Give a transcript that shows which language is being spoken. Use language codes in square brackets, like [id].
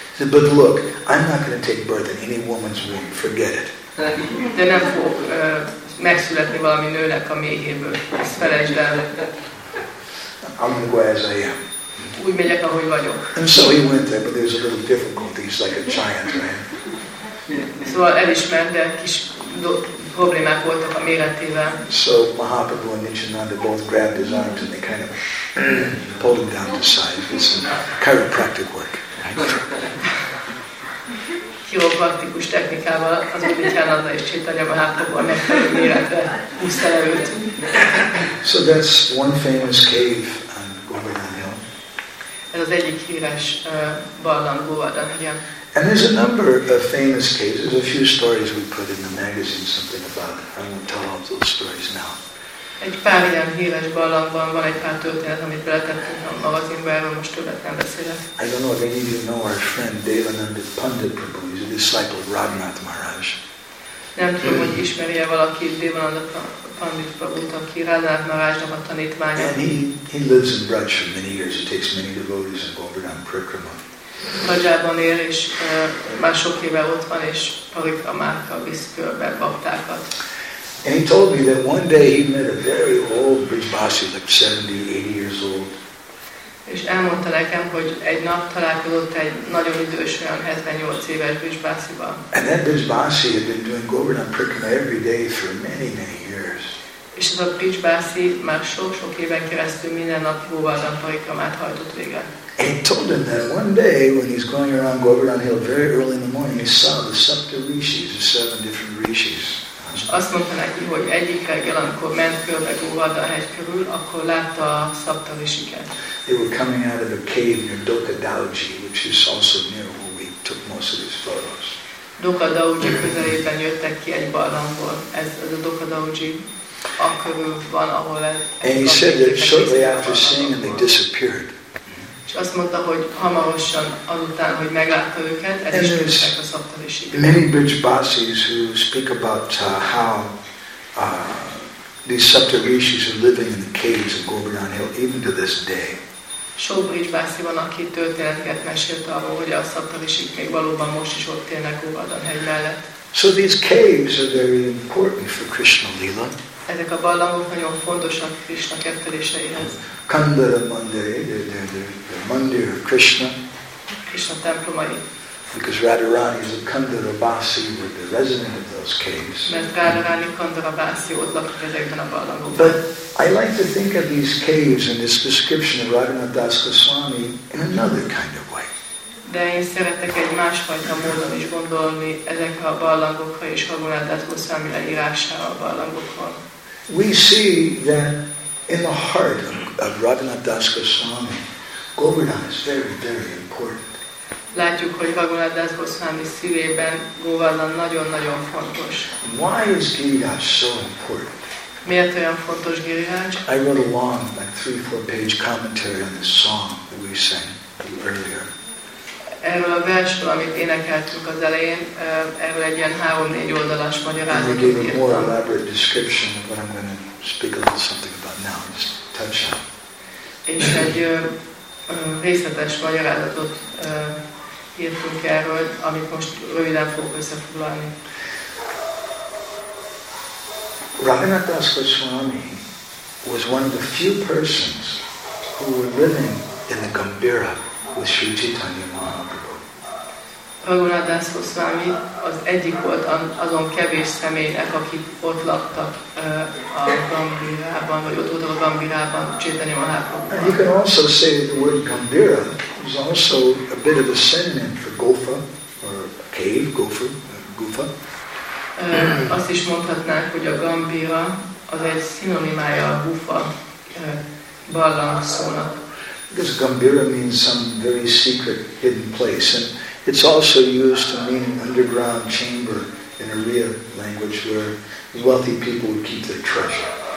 [en] But look, I'm not going to take birth in any woman's womb. Forget it. [hu] De nem fogok megszületni valami nőnek a méhéből. Ezt felejtsd el. [en] I'm going to go as I am. [hu] Úgy megyek, ahogy vagyok. [en] And so he went there, but there's a little difficulty. He's like a giant man. [hu] Szóval el is ment, de kis problémák voltak a méretével. [en] So Mahaprabhu and Nityananda both grabbed his arms and they kind of pulled him down to size. It's some chiropractic work. [hu] Chiropraktikus technikával az úgy Nityananda és Chaitanya Mahaprabhu a megfelelő méretre húzta le őt. [en] So that's one famous cave on Govardhan Hill. [hu] Ez az egyik híres barlang Govardhan Hill. [en] And there's a number of famous cases, a few stories we put in the magazine, something about it. I won't tell all those stories now. [hu] Egy pár ilyen híres barlangban van egy pár történet, amit beletettünk a magazinba, erről most többet nem beszélek. [en] I don't know if any of you know our friend Devananda Pandit Prabhu, he's a disciple of Raghunath Maharaj. [hu] Nem tudom, hogy ismeri-e valaki Devananda Pandit, aki Radhanath Maharajnak a tanítványa. [en] He lives in Braj for many years. It takes many devotees in Govardhan Parikrama. [hu] Brajában él, és már sok éve ott van, és Parikramákkal visz körbe baktákat. [en] And he told me that one day he met a very old Brajbasi, like 70, 80 years old. [hu] És elmondta nekem, hogy egy nap találkozott egy nagyon idős, olyan 78 éves Brajbasival. [en] And that Brajbasi had been doing Govardhan Parikrama every day for many, many years. [hu] És ez a Brajbasi már sok-sok éven keresztül minden nap Govardhan Parikramát hajtott végre. [en] And told him that one day when he's going around Govardhan Hill very early in the morning, he saw the Sapta Rishis, the seven different Rishis. [hu] Azt mondta neki, hogy egyik reggel, amikor ment körbe Govardhan hegy körül, akkor látta a Sapta Rishiket. [en] They were coming out of a cave near Dokadauji, which is also near where we took most of his photos. [hu] Dokadauji közelében jöttek ki egy barlangból. Ez a Dokadauji körül van, ahol ez. [en] And he said that shortly after seeing them, they disappeared. [hu] És azt mondta, hogy hamarosan azután, hogy meglátta őket, ez is tűntek a Sapta Rishik. [en] Many Brajbasis who speak about how these Sapta Rishis are living in the caves of Govardhan Hill even to this day. [hu] Sok Brajbasi van, aki történeteket mesélt arról, hogy a Sapta Rishik még valóban most is ott élnek Govardhan hegy mellett. [en] So these caves are very important for Krishna Lila. [hu] Ezek a barlangok nagyon fontosak Krishna kettőléseihez. [en] Kandara Mandiri, the Mandir of Krishna. [hu] Krishna templomai. [en] Because Radharani is a Kandara Basi, with the resident of those caves. [hu] Mert Radharani Kandara Basi ott lakik ezekben a barlangokban. [en] But I like to think of these caves and this description of Raghunath Das Goswami in another kind of way. [hu] De én szeretek egy másfajta módon is gondolni ezekre a barlangokra és Raghunath Das Goswami leírására a barlangokról. [en] We see that in the heart of Raghunath Das Goswami, Govardhan is very, very important. [hu] Látjuk, hogy Raghunath Das Goswami szívében Govardhan nagyon-nagyon fontos. [en] Why is Girirás so important? [hu] Miért olyan fontos Girirás? [en] I wrote a long, like 3-4 page commentary on this song that we sang earlier. [hu] Erről a versről, amit énekeltünk az elején, erről egy ilyen 3-4 oldalas magyarázatot írtam. [en] I gave a more elaborate description of what I'm going to speak a little something about now. Just touch on. [hu] És egy részletes magyarázatot írtunk erről, amit most röviden fogok összefoglalni. [en] Raghunath Das Goswami was one of the few persons who were living in the Gambira with Sri Chaitanya Mahaprabhu. [hu] Raghunath Das Goswami az egyik volt azon kevés személynek, akik ott laktak a Gambirában, vagy ott voltak a Gambirában, Chaitanya Mahaprabhu. [en] You can also say that the word Gambira is also a bit of a synonym for gopha, or cave, gopher, gufa. [hu] Azt is mondhatnánk, hogy a Gambira az egy szinonimája a gufa barlang szónak. [en] Because Gambira means some very secret, hidden place, and it's also used to mean an underground chamber in Oriya language, where wealthy people would keep their treasure.